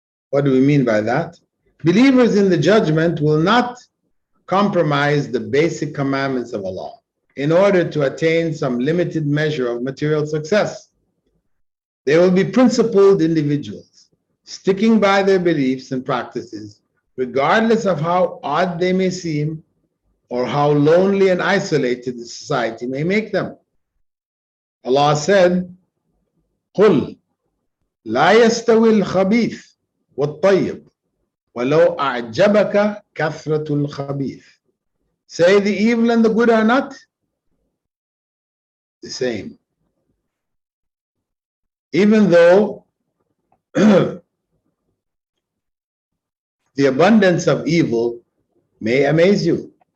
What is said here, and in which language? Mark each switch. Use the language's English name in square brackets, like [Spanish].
[English] What do we mean by that? Believers in the judgment will not compromise the basic commandments of Allah in order to attain some limited measure of material success. They will be principled individuals, sticking by their beliefs and practices, regardless of how odd they may seem or how lonely and isolated the society may make them. Allah said, [Arabic] قُلْ لَا يَسْتَوِي الْخَبِيثُ وَالطَّيِّبُ وَلَوْ أَعْجَبَكَ كَثْرَةُ الْخَبِيثِ. [English] Say, the evil and the good are not the same. Even though the abundance of evil may amaze you.